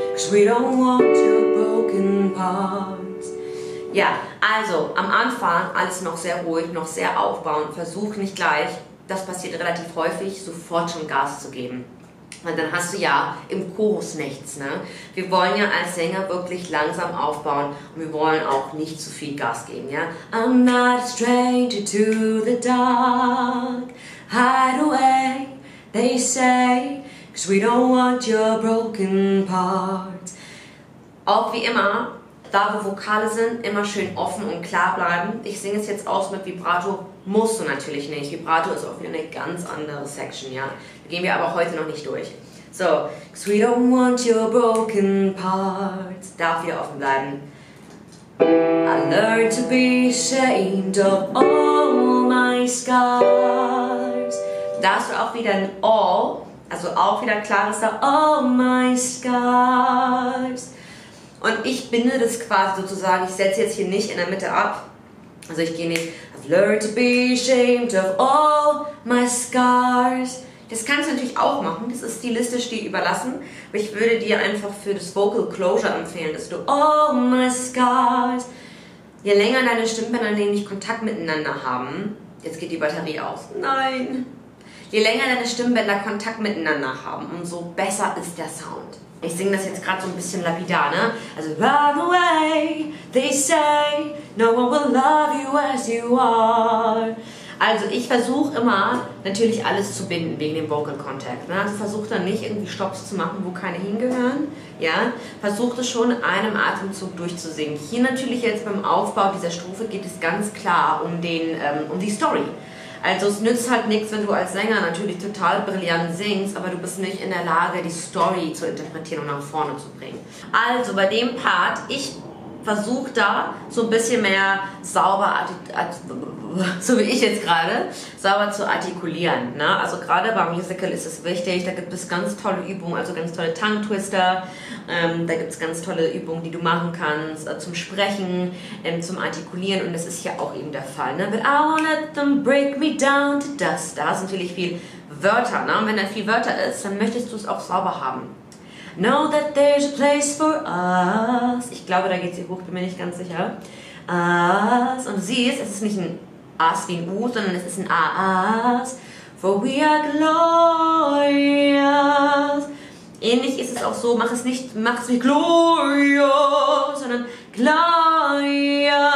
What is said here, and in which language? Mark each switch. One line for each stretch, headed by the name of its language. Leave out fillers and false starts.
English: We don't want your broken parts.
German: Ja, also am Anfang alles noch sehr ruhig, noch sehr aufbauend. Versuch nicht gleich, das passiert relativ häufig, sofort schon Gas zu geben. Weil dann hast du ja im Chorus nichts, ne? Wir wollen ja als Sänger wirklich langsam aufbauen und wir wollen auch nicht zu viel Gas geben, ja?
English: I'm not a stranger to the dark. Hide away, they say. We don't want your broken parts.
German: Auch wie immer, da wo Vokale sind, immer schön offen und klar bleiben. Ich singe es jetzt aus mit Vibrato, musst du natürlich nicht. Vibrato ist auch wieder eine ganz andere Section, ja. Gehen wir aber heute noch nicht durch.
English: So, we don't want your broken parts.
German: Darf wieder offen bleiben.
English: I learned to be ashamed of all my scars.
German: Da hast du auch wieder ein All. Also auch wieder klares da,
English: all my scars.
German: Und ich binde das quasi sozusagen, ich setze jetzt hier nicht in der Mitte ab. Also ich gehe nicht,
English: I've learned to be ashamed of all my scars.
German: Das kannst du natürlich auch machen, das ist stilistisch dir überlassen. Aber ich würde dir einfach für das Vocal Closure empfehlen, dass du
English: all my scars.
German: Je länger deine Stimmbänder nämlich Kontakt miteinander haben, jetzt geht die Batterie aus. Nein. Je länger deine Stimmbänder Kontakt miteinander haben, umso besser ist der Sound. Ich singe das jetzt gerade so ein bisschen lapidar, ne?
English: Also, run away, they say, no one will love you as you are.
German: Also, ich versuche immer, natürlich alles zu binden wegen dem Vocal Contact. Ne? Also, versuch dann nicht irgendwie Stops zu machen, wo keine hingehören. Ja? Versuch das schon in einem Atemzug durchzusingen. Hier natürlich jetzt beim Aufbau dieser Strophe geht es ganz klar um, um die Story. Also es nützt halt nichts, wenn du als Sänger natürlich total brillant singst, aber du bist nicht in der Lage, die Story zu interpretieren und nach vorne zu bringen. Also bei dem Part, ich versuche da so ein bisschen mehr sauber, so wie ich jetzt gerade, sauber zu artikulieren. Ne? Also gerade beim Musical ist es wichtig, da gibt es ganz tolle Übungen, also ganz tolle Tongue Twister, da gibt es ganz tolle Übungen, die du machen kannst, zum Sprechen, zum Artikulieren, und das ist hier auch eben der Fall. Ne?
English: But I won't let them break me down to dust.
German: Da hast du natürlich viel Wörter, ne? Und wenn da viel Wörter ist, dann möchtest du es auch sauber haben.
English: Know that there's a place for us.
German: Ich glaube, da geht sie hoch, bin mir nicht ganz sicher. Us. Und du siehst, es ist nicht ein Us wie ein U, sondern es ist ein A-Us.
English: For we are glorious.
German: Ähnlich ist es auch so, mach es nicht glorious, sondern glorious.